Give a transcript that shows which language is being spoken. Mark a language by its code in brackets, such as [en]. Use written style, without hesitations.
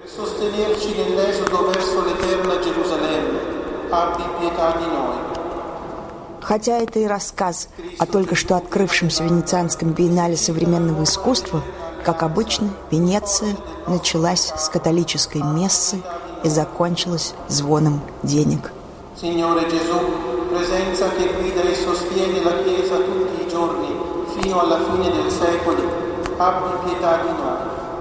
[it] sostenerci nell'esodo verso l'eterna Gerusalemme. Abbi pietà di noi. [ru] Хотя это и рассказ о только что открывшемся венецианском биеннале современного искусства, как обычно, Венеция началась с католической мессы и закончилась звоном денег. [it] Signore Gesù, presenza che guida e sostiene la Chiesa tutti i giorni fino alla fine del secolo, abbi pietà di noi.